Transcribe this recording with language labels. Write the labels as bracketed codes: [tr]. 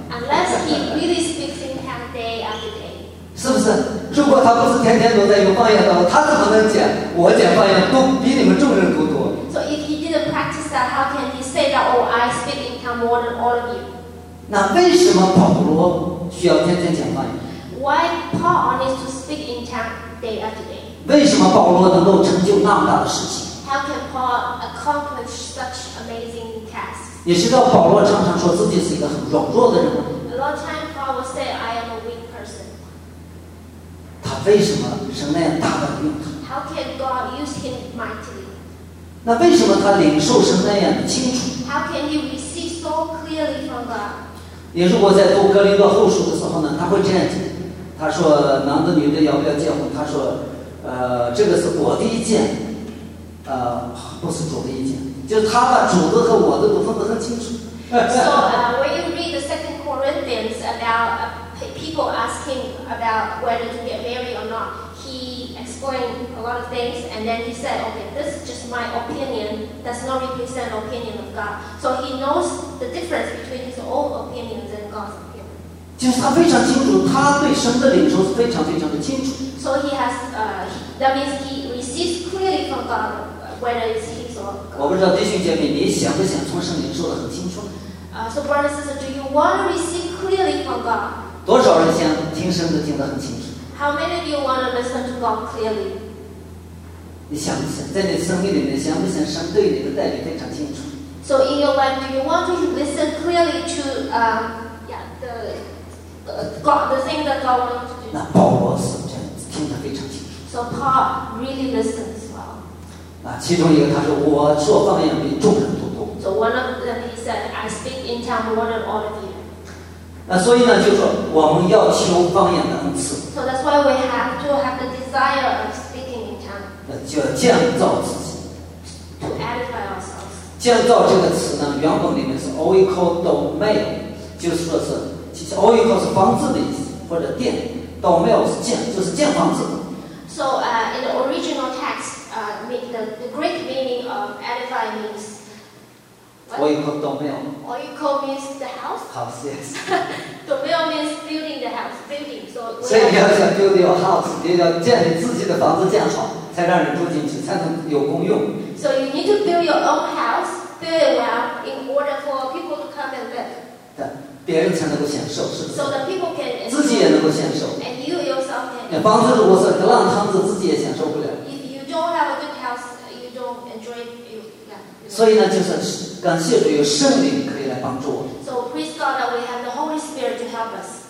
[en] Unless he really speaks in tongues day after day. [zh] 是不是？如果他不是天天都在用方言的话，他怎么能讲我讲方言都比你们众人都多？ [en] So if he didn't practice that, how can he say that? Oh, I speak in tongues more than all of you. [zh] 那为什么保罗需要天天讲方言？ [en] Why Paul needs to speak in tongues day after day? [zh] 为什么保罗能够成就那么大的事情？ [en] How can Paul accomplish such amazing tasks? [zh] 你知道保罗常常说自己是一个很软弱的人吗？ [en] A lot of time Paul will say, "I am a weak person." [zh] 他为什么神那样大的用他？ [en] How can God use him mightily? [zh] 那为什么他领受神那样的清楚？ [en] How can he receive so clearly from God? [zh] 你如果在读哥林多后书的时候呢，他会这样讲，他说男的女的要不要结婚？他说，这个是我的意见。不是主的意见，就是他把主的和我的都分得很清楚。 [en] So when you read the Second Corinthians about people asking about whether to get married or not, he explained a lot of things, and then he said, "Okay, this is just my opinion. Does not represent the opinion of God." So he knows the difference between his own opinions and God's opinion. [zh] 就是他非常清楚，他对神的领受是非常非常的清楚。 [en] So he has that means he receives clearly from God. [zh] 我不知道弟兄姐妹，你想不想从圣灵受得很清楚？ [en] So brother and sister, do you want to receive clearly from God? [zh] 多少人想听神都听得很清楚？ [en] How many of you want to listen to God clearly? [zh] 你想不想在你生命里面，想不想神对你的带领非常清楚？ [en] So in your life, do you want to listen clearly to God, the thing that God wants to do? [zh] 那保罗是这样子，听得非常清楚。 [en] So Paul really listens. [zh] 其中一个他说我说方言比众人都多。 [en] So one of them he said, I speak in tongues more than all of you. [zh] 那所以呢，就说我们要求方言的恩赐。 [en] So that's why we have to have the desire of speaking in tongues. [zh] 就要建造自己。 [en] To edify ourselves. [zh] 建造这个词呢，原本里面是 oikodomeo， 就是说是，其实 oiko 是房子的意思，或者殿 ，domeo 是建，就是建房子。 [en] So in the original text. The Greek meaning of edify means. Oikodomeo. Oiko means the house. House, yes. Domeo means building the house, building. So. [zh] 所以你要想 [en] build your house， [zh] 你要建你自己的房子建好，才让人住进去，才能有功用。 [en] So you need to build your own house, build it well, in order for people to come and live. [zh] 别人才能够享受，是不是？ [en] So the people can enjoy, [zh] 自己也能够享受。 [en] And you yourself can. [zh] 房子如果是个烂摊子，自己也享受不了。 [en] If you don't have a good house, you don't enjoy it. Yeah. [zh] 所以呢，就是感谢主，有圣灵可以来帮助我。 [en] So praise God that we have the Holy Spirit to help us.